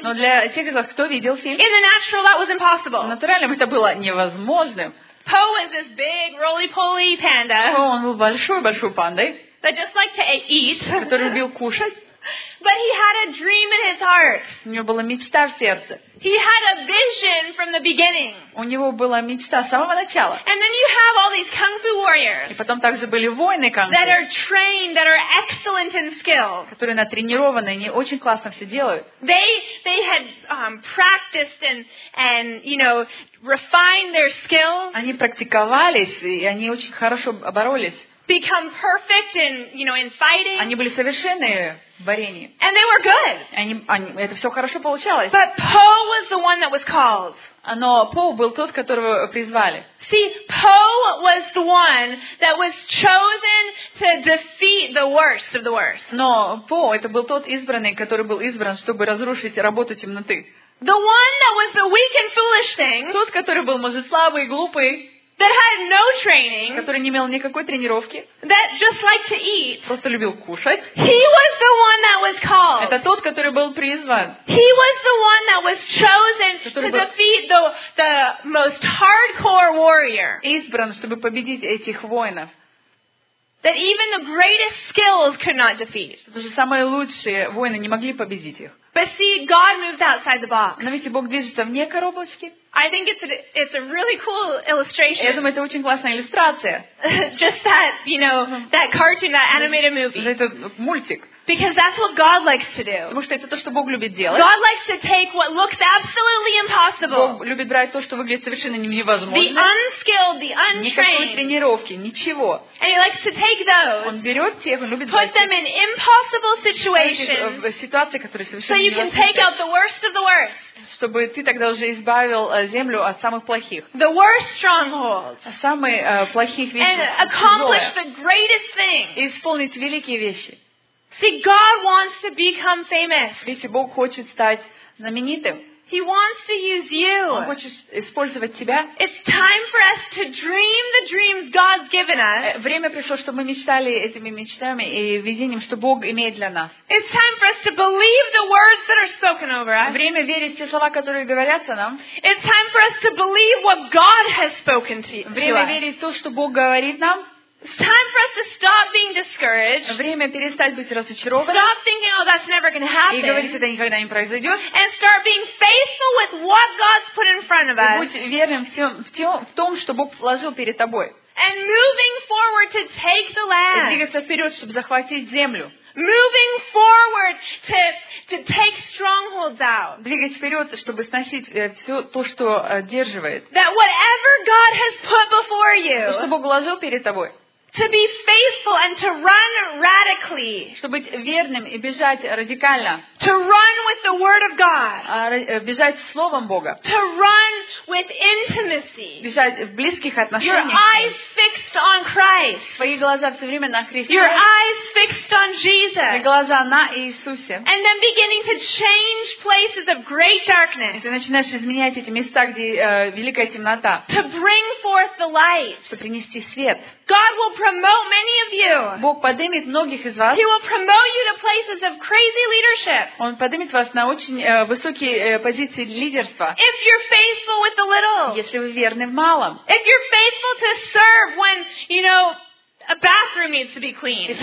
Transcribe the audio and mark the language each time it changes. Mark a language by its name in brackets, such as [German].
[Russian] но для тех из вас, кто видел фильм, [English] in the natural that was impossible. [Russian] В натуральном это было невозможным. [English] Po was this big roly-poly panda. [Russian] Po, он был большой пандой. [English] That just liked to eat. [Russian] Который любил кушать. [English] But he had a dream in his heart. [Russian] У него была мечта в сердце. [English] He had a vision from the beginning. [Russian] У него была мечта с самого начала. [English] And then you have all these kung fu warriors. [Russian] И потом также были воины кунг-фу. [English] That are trained, that are excellent in skill. [Russian] Которые натренированы, они очень классно все делают. [English] They had practiced and you know refined their skills. [Russian] Они практиковались и они очень хорошо боролись. [English] Become perfect in you know in fighting. [Russian] Они были совершенны в борении. [English] And they were good. [Russian] Они это все хорошо получалось. [English] But Po was the one that was called. [Russian] Но По был тот, которого призвали. [English] See, Po was the one that was chosen to defeat the worst of the worst. [Russian] Но По это был тот избранный, который был избран, чтобы разрушить работу темноты. [English] The one that was the weak and foolish thing. [Russian] Тот, который был, может, слабый и глупый. [English] That had no training. [Russian] Который не имел никакой тренировки. [English] That just liked to eat. [Russian] Просто любил кушать. [English] He was the one that was called. [Russian] Это тот, который был призван. [English] He was the one that was chosen to defeat the most hardcore warrior. [Russian] Избран, чтобы победить этих воинов. [English] That even the greatest skills could not defeat. [Russian] Даже самые лучшие воины не могли победить их. [English] But see, God moves outside the box. [Russian] Но видите, Бог движется вне коробочки. [English] I think it's a really cool illustration. [Russian] Я думаю, это очень классная иллюстрация. [English] Just that, you know, that cartoon, that animated movie. [Russian] Это мультик. [English] Because that's what God likes to do. [Russian] Потому что это то, что Бог любит делать. [English] God likes to take what looks absolutely impossible. [Russian] Бог любит брать то, что выглядит совершенно невозможно. [English] The unskilled, the untrained. [Russian] Никакой тренировки, ничего. [English] And he likes to take those. [Russian] Он берет тех, он любит брать. [English] Put them in impossible situations. [Russian] В ситуации, которые совершенно невозможны. [English] So you can take out the worst of the worst. [Russian] Чтобы ты тогда уже избавил землю от самых плохих. [English] The worst strongholds. [Russian] Самые плохих вещей. [English] And accomplish the greatest thing. [Russian] И исполнить великие вещи. [English] See, God wants to become famous. [Russian] Видите, Бог хочет стать знаменитым. [English] He wants to use you. [Russian] Он хочет использовать тебя. [English] It's time for us to dream the dreams God's given us. [Russian] Время пришло, чтобы мы мечтали этими мечтами и видением, что Бог имеет для нас. [English] It's time for us to believe the words that are spoken over us. [Russian] Время верить те слова, которые говорятся нам. [English] It's time for us to believe what God has spoken to us. [Russian] Время верить то, что Бог говорит нам. [English] It's time for us to stop being discouraged. [Russian] Время перестать быть разочарованным. [English] Stop thinking, oh, that's never going to happen. [Russian] И говорить, это никогда не произойдет. [English] And start being faithful with what God's put in front of us. [Russian] И будь верным в том, что Бог положил перед тобой. [English] And moving forward to take the land. [Russian] И двигаться вперед, чтобы захватить землю. [English] Moving forward to take strongholds out. [Russian] Двигать вперед, чтобы сносить все то, что держит. [English] That whatever God has put before you. [Russian] То, что Бог положил перед тобой. [English] To be faithful and to run radically. [Russian] Чтобы быть верным и бежать радикально. [English] To run with the word of God. [Russian] Бежать словом Бога. [English] To run radically. with intimacy. [Russian] В близких отношениях. [English] Your eyes fixed on Christ. [Russian] Твои глаза все время на Христе. [English] Your eyes fixed on Jesus. [Russian] Твои глаза на Иисусе. [English] And then beginning to change places of great darkness. [Russian] Ты начинаешь изменять эти места, где великая темнота. [English] To bring forth the light. [Russian] Чтобы принести свет. [English] God will promote many of you. [Russian] Бог поднимет многих из вас. [English] He will promote you to places of crazy leadership. [Russian] Он поднимет вас на очень высокие позиции лидерства. [English] If you're faithful with the little. [Russian] Если вы верны в малом. [English] If you're faithful to serve when, you know, a bathroom needs to be cleaned.